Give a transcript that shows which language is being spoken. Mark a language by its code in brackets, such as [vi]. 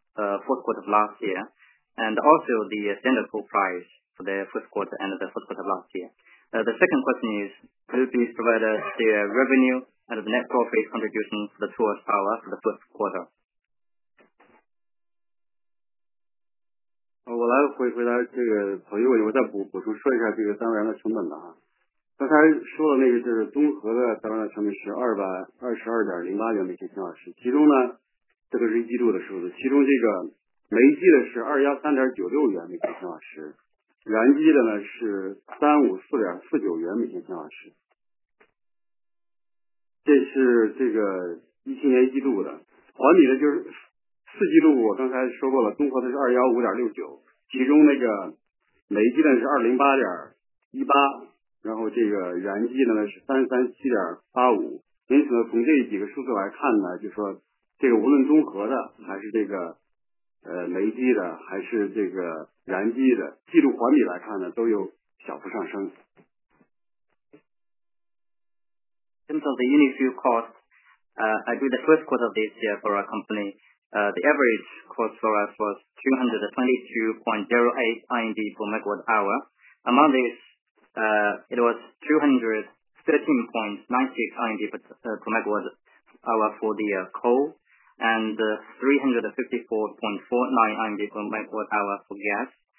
[en] the fourth quarter of last year, and also the standard pool price for the fourth quarter and the first quarter of last year. The second question is, could you please provide us the revenue and the net profit contribution for the 2 horsepower for the first quarter? [zh] 我来回回答这个朋友问题，我再补充说一下这个单位燃料成本的哈。刚才说的那个就是综合的单位燃料成本是222.08元每千千瓦时，其中呢，这个是一季度的数字，其中这个煤机的是213.96元每千千瓦时，燃机的呢是354.49元每千千瓦时，这是这个2017年一季度的，环比的就是。四季度我刚才说过了，综合的是215.69，其中那个煤机呢是208.18，然后这个燃机呢是337.85，因此呢从这几个数字来看呢，就说这个无论综合的还是这个煤机的还是这个燃机的，季度环比来看呢都有小幅上升。 [en] In terms of the unit fuel cost, I do the first quarter of this year for our company. The average cost for us was 222.08 RMB per megawatt hour. Among this, it was 213.96 RMB per megawatt hour for the coal and 354.49 RMB per megawatt hour for gas.